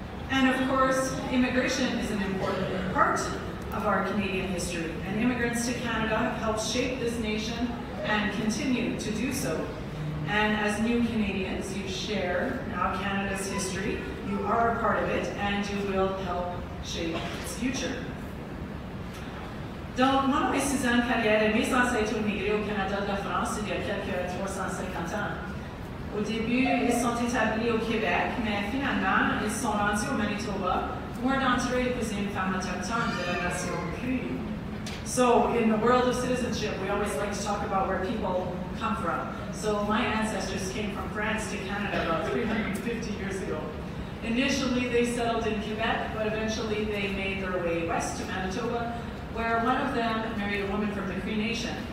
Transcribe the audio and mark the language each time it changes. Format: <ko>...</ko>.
<en>And of course, immigration is an important part of our Canadian history, and immigrants to Canada helped shape this nation and continue to do so. And as new Canadians, you share now Canada's history, you are a part of it, and you will help shape its future.</en> <fr>Donc, mon nom est Suzanne Carrière, et mes ancêtres ont migré au Canada de la France il y a quelques 350 ans. Au début, ils sont établis au Québec, mais finalement, ils sont rendus au Manitoba, où un d'entre eux épousait une femme autochtone de la nation Cree.</fr> <en>So, in the world of citizenship, we always like to talk about where people come from. So, my ancestors came from France to Canada about 350 years ago. Initially, they settled in Quebec, but eventually they made their way west to Manitoba, where one of them married a woman from the Cree Nation.</en>